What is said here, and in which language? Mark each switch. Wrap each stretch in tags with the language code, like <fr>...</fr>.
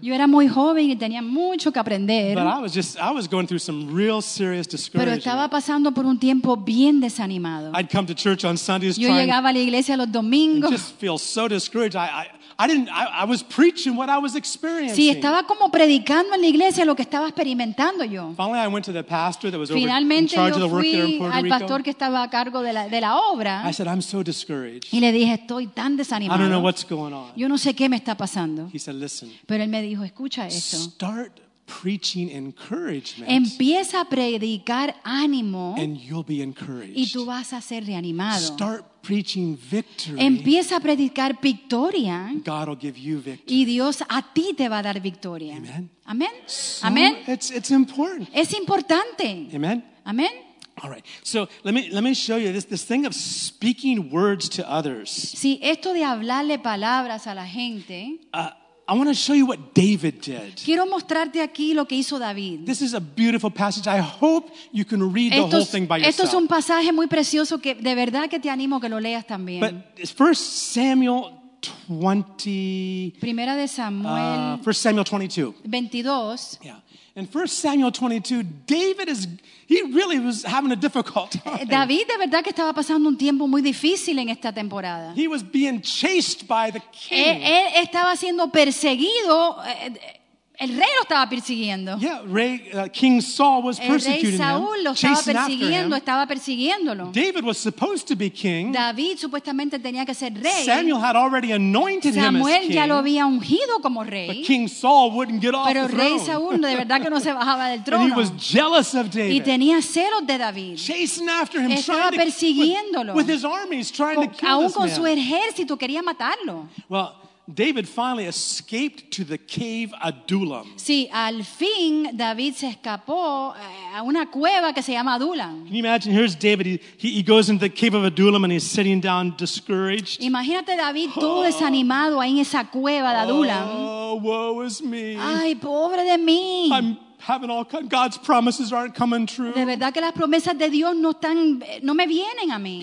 <es>Yo era muy joven y tenía mucho que aprender.</es> <en>But I was going through some real serious discouragement.</en> <es>Pero estaba pasando por un tiempo bien desanimado.</es> <en>I'd come to church on Sundays.</en> <es>Yo llegaba a la iglesia los domingos.</es> <en>And just feel so discouraged. I was preaching what I was experiencing.</en> <es>Sí, estaba como predicando en la iglesia lo que estaba experimentando yo.</es> <en>Finally, I went to the pastor that was</en> <es>finalmente,</es> <en>over in charge of the work there in Puerto</en> <es>Rico. Finalmente fui al pastor que estaba a cargo de la obra.</es> <en>I said, I'm so discouraged.</en> <es>Y le dije, estoy tan desanimado.</es> <en>I don't know what's going on.</en> <es>Yo no sé qué me está pasando.</es> <en>He said, listen.</en> <es>Pero él me dijo, escucha esto.</es> <en>Start preaching encouragement.</en> <es>Empieza a predicar ánimo.</es> <en>And you'll be encouraged.</en> <es>Y tú vas a ser reanimado.</es> <en>Start preaching victory.</en> <es>Empieza a predicar victoria.</es> <en>God will give you victory.</en> <es>Y Dios a ti te va a dar victoria.</es> <en>Amen.</en> <es>Amen.</es> <en>So</en> <es>amen.</es> <en>It's important.</en> <es>Es importante.</es> <en>Amen.</en> <es>Amen.</es> <en>All right. So let me show you this thing of speaking words to others.</en> <es>Sí, esto de hablarle palabras a la gente.</es> <en>I want to show you what David did.</en> <es>Quiero mostrarte aquí lo que hizo David.</es> <en>This is a beautiful passage. I hope you can read the whole thing by yourself.</en> <es>Esto es un pasaje muy precioso que de verdad que te animo que lo leas también.</es> <en>But 1 Samuel 20.</en> <es>Primera de Samuel.</es> <en>1 Samuel 22.</en> <es>22.</es> <en>Yeah. In 1 Samuel 22, David is—he really was having a difficult time.</en> <es>David, de verdad que estaba pasando un tiempo muy difícil en esta temporada.</es> <en>He was being chased by the king.</en> <es>Él estaba siendo perseguido. El rey lo estaba persiguiendo.</es> <en>Yeah, King Saul was persecuting him.</en> <es>El rey Saúl lo estaba persiguiendo, estaba persiguiéndolo.</es> <en>David was supposed to be king.</en> <es>David supuestamente tenía que ser rey.</es> <en>Samuel had already anointed him as king.</en> <es>Samuel ya lo había ungido como rey.</es> <en>But King Saul wouldn't get off the throne.</en> <es>Pero rey Saúl de verdad que no se bajaba del trono.</es> <en>And he was jealous of David.</en> <es>Y tenía celos de David.</es> <en>Chasing after him,</en> <es>estaba persiguiéndolo.</es> <en>With his armies trying to kill him.</en> <es>Aún con su ejército quería matarlo.</es> <en>Well, David finally escaped to the cave Adullam.</en> <es>Sí, al fin David se escapó a una cueva que se llama Adullam.</es> <en>Can you imagine? Here's David. He goes into the cave of Adullam and he's sitting down discouraged.</en> <es>Imagínate David todo desanimado ahí en esa cueva de Adullam.</es> <en>Oh, woe is me.</en> <es>Ay, pobre de mí.</es> <en>I'm having all kinds. God's promises aren't coming true.</en> <es>De verdad que las promesas de Dios no están, no me vienen a mí.</es>